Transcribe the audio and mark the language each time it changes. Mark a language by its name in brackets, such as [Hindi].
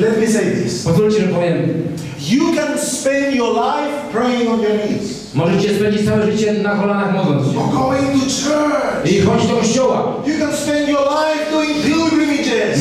[English] Let me say this. [Polish] Pozwólcie, że powiem. [English] You can spend your life praying on your knees. [Polish] Możecie spędzić całe życie na kolanach modląc się. [English] Or going to church. [Polish] I chodź do kościoła. [English] You can spend your life doing pilgrimages.